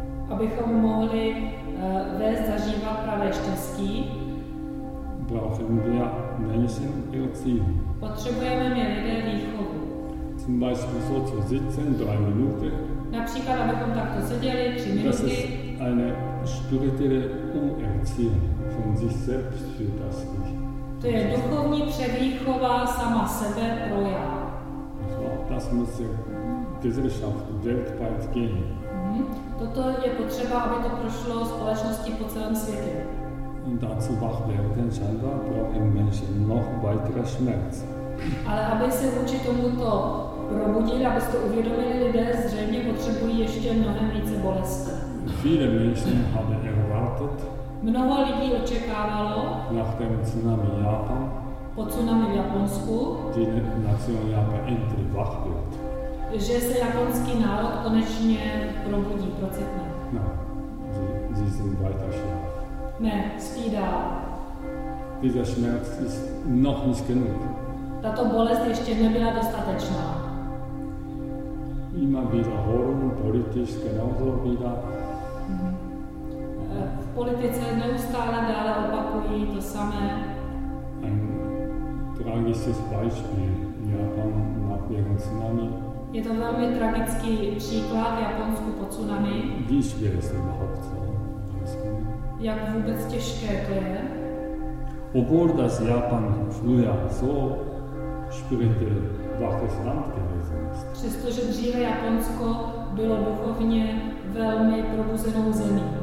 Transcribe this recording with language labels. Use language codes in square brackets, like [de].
[cs] Abychom mohli vést zažívat pravé štěstí. [de] Brauchen wir Menschen erziehen. [cs] Potřebujeme mě lidé výchovu. [de] Zum Beispiel so zu sitzen, 3 Minuten. [cs] Například, abychom takto seděli, 3 minuty. [de] Das ist eine spirituelle Umerziehung von sich selbst für das Ich. [cs] To je duchovní převýchova sama sebe pro já. [de] Das muss ja Gesellschaft weltweit gehen. [cs] Toto je potřeba, aby to prošlo společnosti po celém světě. [de] Und dazu wach werden scheinbar brauchen Menschen noch weitere Schmerz. [cs] Ale aby se vůči tomuto probudili, aby se to uvědomili lidé, zřejmě potřebují ještě mnohem více bolesti. [de] Viele Menschen haben erwartet. [cs] Mnoho lidí očekávalo. [de] Nach dem Tsunami Japan. [cs] Po tsunami v Japonsku. [de] Die Nation Japan endlich wach wird. [cs] že se japonský národ konečně probudí, procitne. [de] Sie sind weiter schlafen. [cs] Ne, spí dál. [de] Dieser Schmerz ist noch nicht genug. [cs] Tato bolest ještě nebyla dostatečná. [de] Immer wiederholen, politisch genauso wieder. [cs] V politice neustále dále opakují to samé. [de] Ein tragisches Beispiel in Japan nach dem Tsunami. [cs] Je to velmi tragický příklad Japonsku po tsunami. [de] Wie schwer ist überhaupt so? [cs] Jak vůbec těžké to je? [de] Obwohl das Japan früher so spirituell waches Land gewesen ist. [cs] Přestože dříve Japonsko bylo duchovně velmi probuzenou zemí.